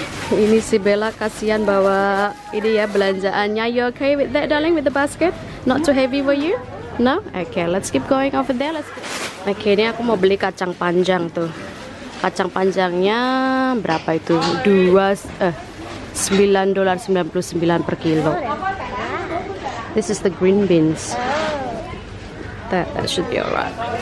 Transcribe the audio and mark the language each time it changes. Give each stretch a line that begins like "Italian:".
Indonesian: Ini si Bella kasihan bawa ini ya belanjaannya.
English: You okay with that, darling, with the basket? Not too heavy for you? No? Okay, let's keep going over there. Let's keep...
Indonesian: Okay, ini aku mau beli kacang panjang tuh. Kacang panjangnya berapa itu? $9.99 per kilo.
English: This is the green beans. That should be alright.